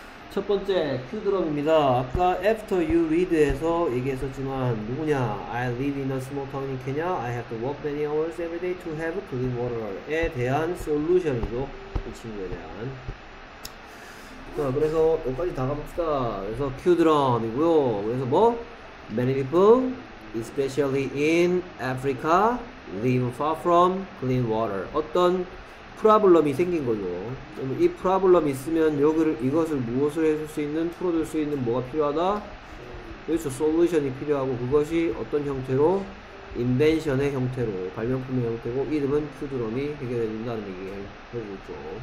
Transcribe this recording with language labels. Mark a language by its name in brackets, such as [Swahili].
[Korean] 첫 번째 큐드럼입니다. 아까 [English] after you read [Korean] 에서 얘기했었지만 누구냐? [English] I live in a small town in Kenya. I have to walk many hours every day to have clean water [Korean] 에 대한 솔루션이죠. 이 친구에 대한. 자, 그래서 여기까지 다 가봅시다. 그래서 큐드럼이고요. 그래서 뭐? [English] Many people, especially in Africa, live far from clean water. [Korean] 어떤 프라블럼이 생긴 거죠. 이 프라블럼이 있으면 여기를 이것을 무엇을 해줄 수 있는, 풀어줄 수 있는 뭐가 필요하다? 그렇죠. 솔루션이 필요하고 그것이 어떤 형태로? 인벤션의 형태로, 발명품의 형태고 이름은 큐드럼이 해결해 준다는 얘기를 해주죠.